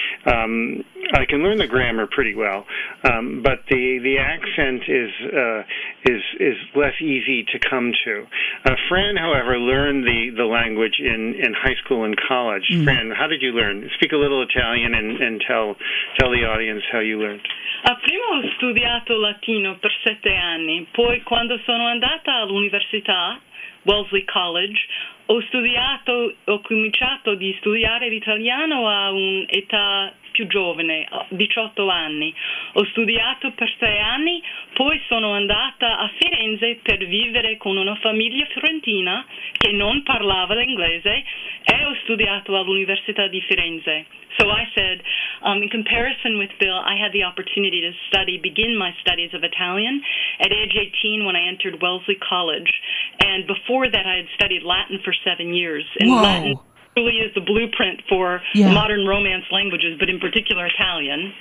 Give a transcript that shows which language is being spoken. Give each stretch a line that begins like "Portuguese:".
English: I can learn the grammar pretty well, but the accent is less easy to come to. Fran, however, learned the language in high school and college. Mm. Fran, how did you learn? Speak a little Italian and tell the audience how you learned.
Italian: Prima ho studiato latino per 7 anni. Poi quando sono andata all'università, Wellesley College. Ho cominciato di studiare l'italiano a un'età più giovane, 18 anni. Ho studiato per 6 anni, poi sono andata a Firenze per vivere con una famiglia fiorentina che non parlava l'inglese e ho studiato all'Università di Firenze.
English: So I said, in comparison with Bill, I had the opportunity to begin my studies of Italian at age 18 when I entered Wellesley College. And before that, I had studied Latin for 7 years. And whoa. Latin truly is the blueprint for modern Romance languages, but in particular Italian.